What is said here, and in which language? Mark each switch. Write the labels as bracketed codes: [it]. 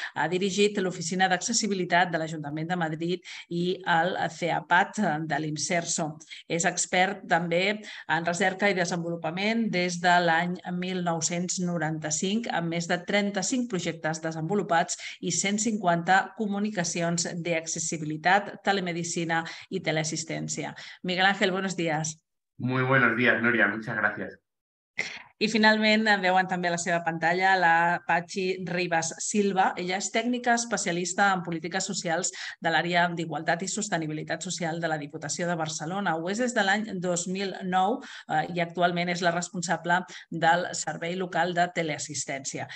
[ca] Ha dirigit l'Oficina d'Accessibilitat de l'Ajuntament de Madrid i el CEAPAT de l'IMSERSO. És expert també en recerca i desenvolupament des de l'any 1995, amb més de 35 projectes desenvolupats i 150 comunicacions d'accessibilitat, telemedicina y teleasistencia. [es] Miguel Ángel, buenos días. Muy buenos días, Núria, muchas gracias. [ca] I finalment veuen també a la seva pantalla la Patxi Ribas Silva. Ella és tècnica especialista en polítiques socials de l'àrea d'Igualtat i Sostenibilitat Social de la Diputació de Barcelona. Ho és des de l'any 2009 i actualment és la responsable del Servei Local de Teleassistència.